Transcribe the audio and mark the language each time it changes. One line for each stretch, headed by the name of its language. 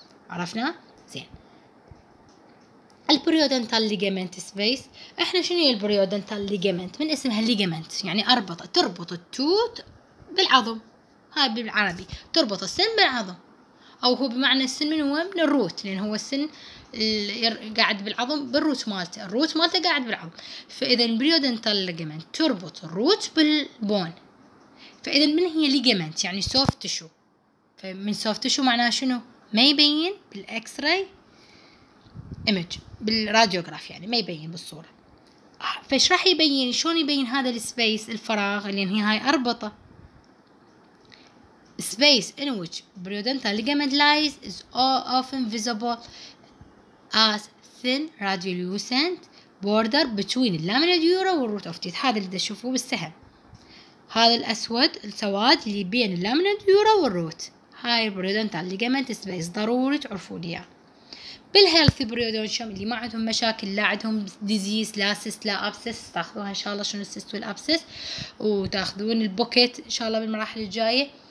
Arabic: عرفنا؟ زين البريودنتال ليجمنت سبيس، احنا شنو هي البريودنتال ليجمنت؟ من اسمها ليجمنت، يعني اربط، تربط التوت بالعظم، هاي بالعربي تربط السن بالعظم، او هو بمعنى السن من هو من الروت، لان هو السن قاعد بالعظم بالروت مالته، الروت مالته قاعد بالعظم، فاذا البريودنتال ليجمنت تربط الروت بالبون، فاذا من هي ليجمنت؟ يعني سوفت تشو، فمن سوفت تشو معناها شنو؟ ما يبين بالاكس راي ايمج بالراديوغراف، يعني ما يبين بالصوره. فايش راح يبين؟ شلون يبين هذا السبيس الفراغ اللي هي هاي اربطه
English: space in which periodontal ligament lies is often visible as thin radiolucent border between the lamina dura and root of teeth.
Arabic: هذا اللي تشوفوه بالسهم، هذا الاسود السواد اللي بين اللامينا دورا والروت، هاي البريودنتال ليجمنت سبيس ضروري تعرفون اياه. بالهيلثي بريودونشم اللي ما عندهم مشاكل لا عندهم ديزيز لا سيست لا ابسس، تاخذوها ان شاء الله شنو السيست والابسس، وتاخذون البوكيت ان شاء الله بالمراحل الجايه.